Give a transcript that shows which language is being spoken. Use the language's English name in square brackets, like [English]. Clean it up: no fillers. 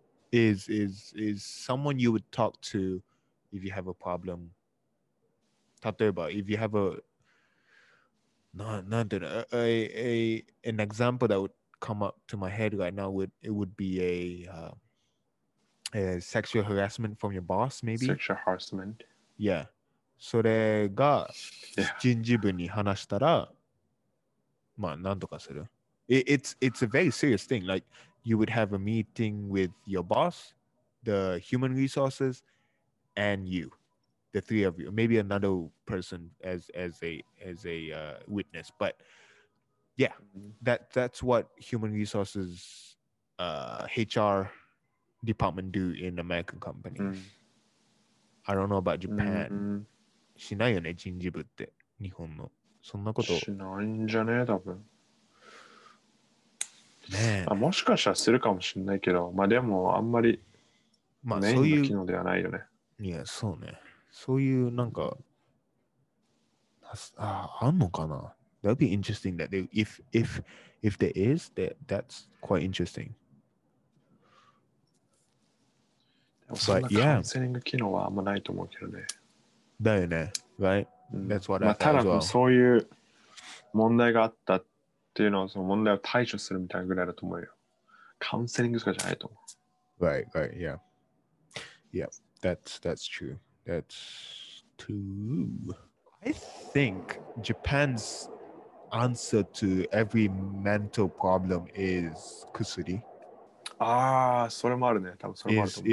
[English] Is someone you would talk to if you have a problem? [Japanese] 例えば [English] if you have an example that would come up to my head right now would be a sexual harassment from your boss, maybe? Sexual harassment. Yeah. [Japanese] それが人事部に話したら、まあ何とかする。 [English] It's a very serious thing, like,You would have a meeting with your boss, the human resources, and you, the three of you. Maybe another person as a witness. But yeah, that's what human resources, HR department do in American companies. Mm. I don't know about Japan. [Japanese] しないよね、人事部って日本のそんなこと。しないんじゃねえ、多分。 [English] Man. [Japanese] もしかしたらするかもしれないけど、まあ、でもあんまりメインの機能ではないよね。いや、そうね。そういうなんか、あんのかな [English] ?That'd be interesting that if there is, that's quite interesting. [Japanese] そんなカウンセリング機能はあんまないと思うけどね。だよね。 [English] Right?That's what I thought. [Japanese] ただ、 [English] well. [Japanese] そういう問題があったって。っていうのはその問題を対処するみたいなぐらいだと思うよ。カウンセリングとかじゃないと思う。 [English] Right, right, yeah. Yeah, that's true. That's true. I think Japan's answer to every mental problem is 薬。 [Japanese] ああ、それもあるね。多分それもあると思う。